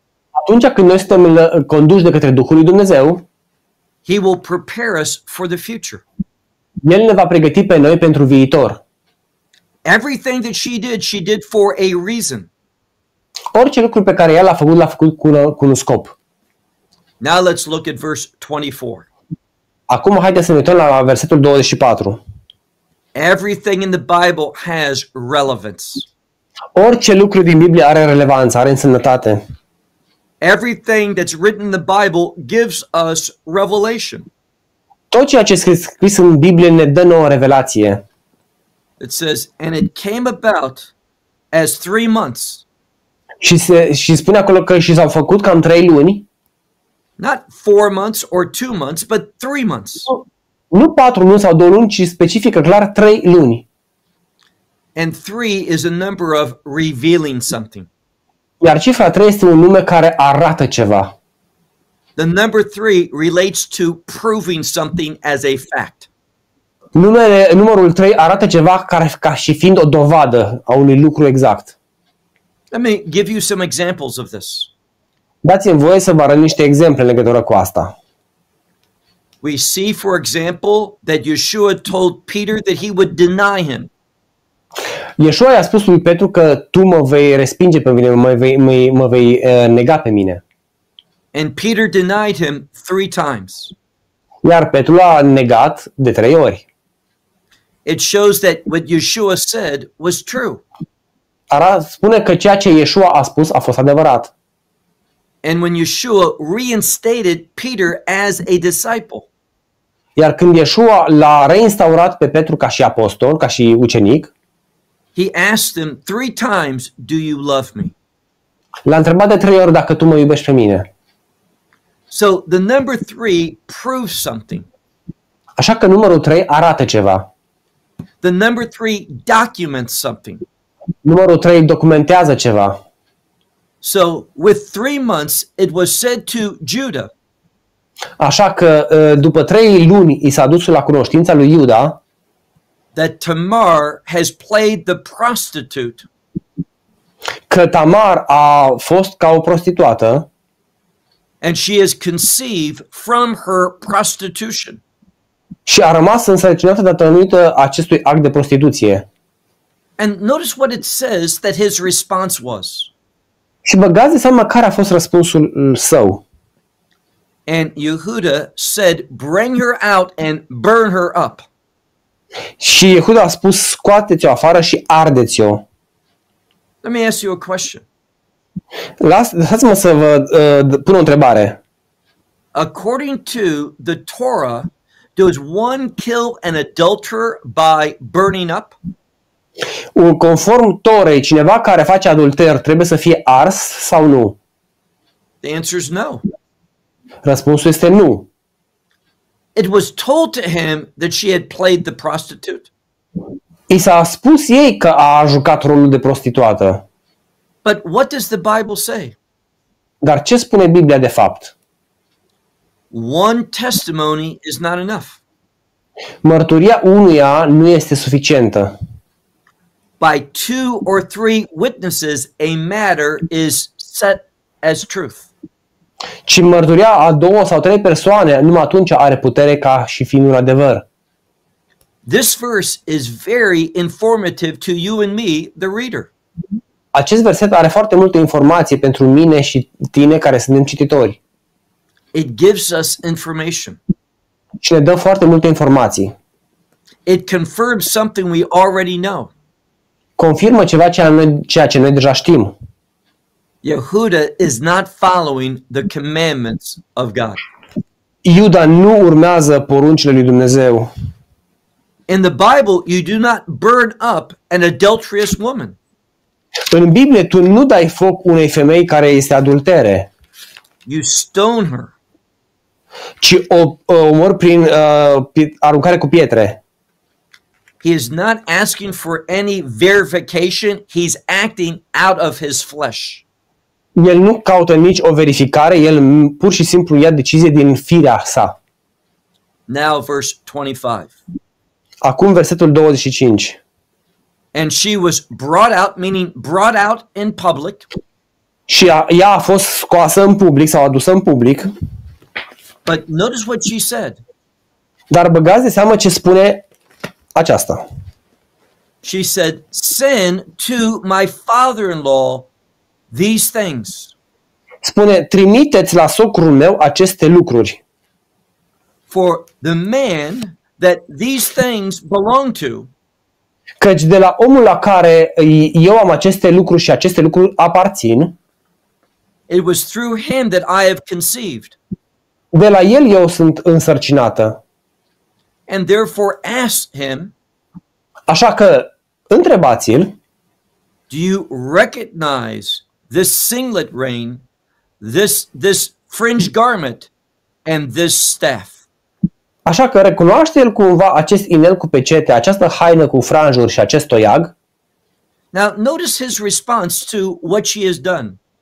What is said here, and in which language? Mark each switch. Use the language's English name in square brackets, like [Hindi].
[Romanian] atunci când noi suntem conduși de către Duhul lui Dumnezeu, [English] he will prepare us for the future. [Romanian] El ne va pregăti pe noi pentru viitor. [English] Everything that she did for a reason. [Romanian] Orice lucru pe care el l-a făcut cu un scop. [English] Now let's look at verse 24. [Romanian] Acum haideți să ne uităm la versetul 24. [English] Everything in the Bible has relevance. [Romanian] Orice lucru din Biblie are relevanță, are însemnătate. [English] Everything that's written in the Bible gives us revelation. [Romanian] Tot ceea ce este scris în Biblie ne dă nouă revelație. [English] It says, and it came about as 3 months. [Romanian] Și spune acolo că și s-au făcut cam 3 luni. [English] Not 4 months or 2 months, but 3 months. [Romanian] Nu 4 luni sau 2 luni, ci specifică clar 3 luni. [English] And 3 is a number of revealing something. [Romanian] Iar cifra 3 este un nume care arată ceva. [English] The number 3 relates to proving something as a fact. [Romanian] Numărul 3 arată ceva care, ca și fiind o dovadă a unui lucru exact. [English] Let me give you some examples of this. [Romanian] Dați-mi voie să vă arăt niște exemple în legătură cu asta. [English] We see, for example, that Yeshua told Peter that he would deny him. [Romanian] Yeshua i-a spus lui Petru că tu mă vei respinge pe mine, mă vei nega pe mine. [English] And Peter denied him 3 times. [Romanian] Iar Petru l-a negat de 3 ori. [English] It shows that what Yeshua said was true. [Romanian] Spune că ceea ce Yeshua a spus a fost adevărat. [English] And when Yeshua reinstated Peter as a disciple. [Romanian] Iar când Yeshua l-a reinstaurat pe Petru ca și apostol, ca și ucenic, [English] he asked him three times, "Do you love me?" [Romanian] L-a întrebat de trei ori dacă tu mă iubești pe mine. [English] So the number three proves something. [Romanian] Așa că numărul 3 arată ceva. [English] The number three documents something. [Romanian] Numărul 3 documentează ceva. [English] So with 3 months it was said to Judah. [Romanian] Așa că după 3 luni i s-a dus la cunoștința lui Iuda [English] that Tamar has played the prostitute. [Romanian] Că Tamar a fost ca o prostituată. [English] And she has conceived from her prostitution. [Romanian] Și a rămas însărcinată datorită acestui act de prostituție. [English] And notice what it says that his response was. [Romanian] Și băgați de seama care a fost răspunsul său. [English] And Yehuda said, "Bring her out and burn her up." [Romanian] Și Yehuda a spus, scoateți-o afară și ardeți-o. [English] Let me ask you a question. [Romanian] Lasă-mă să vă pun o întrebare. [English] According to the Torah, does one kill an adulterer by burning up? [Romanian] Conform Torei, cineva care face adulter trebuie să fie ars sau nu? [English] The answer is no. [Romanian] Răspunsul este nu. [English] It was told to him that she had played the prostitute. [Romanian] I s-a spus ei că a jucat rolul de prostituată. [English] But what does the Bible say? [Romanian] Dar ce spune Biblia de fapt? [English] One testimony is not enough. [Romanian] Mărturia unuia nu este suficientă. [English] By two or three witnesses, a matter is set as truth. [Romanian] Ci mărturia a două sau trei persoane, numai atunci are putere ca și fiind un adevăr. [English] This verse is very informative to you and me, the reader. [Romanian] Acest verset are foarte multe informații pentru mine și tine care suntem cititori. [English] It gives us information. [Romanian] Și ne dă foarte multe informații. [English] It confirms something we already know. [Romanian] Confirmă ceva ceea ce noi deja știm. [English] Yehuda is not following the commandments of God. [Romanian] Iuda nu urmează poruncile lui Dumnezeu. [English] In the Bible, you do not burn up an adulterous woman. [Romanian] În Biblie, tu nu dai foc unei femei care este adultere. [English] You stone her. [Romanian] Ci o omor prin aruncare cu pietre. [English] He is not asking for any verification. He's acting out of his flesh. [Romanian] El nu caută nici o verificare, el pur și simplu ia decizie din firea sa. [English] Now verse 25. [Romanian] Acum versetul 25. [English] And she was brought out, meaning brought out in public. [Romanian] Și ea a fost scoasă în public sau adusă în public. [English] But notice what she said. [Romanian] Dar băgați de seamă ce spune aceasta. [English] She said, "Send to my father-in-law these things." [Romanian] Spune, trimiteți la socrul meu aceste lucruri. [English] For the man that these things belong to. [Romanian] Căci de la omul la care eu am aceste lucruri și aceste lucruri aparțin. [English] It was through him that I have conceived. [Romanian] De la el eu sunt însărcinată. [English] And therefore ask him. [Romanian] Așa că întrebați-l. [English] Do you recognize this singlet rein, this fringe garment and this staff? [Romanian] Așa că recunoaște el cumva acest inel cu pecete, această haină cu franjuri și acest toiag? [English] Now notice his response to what she has done.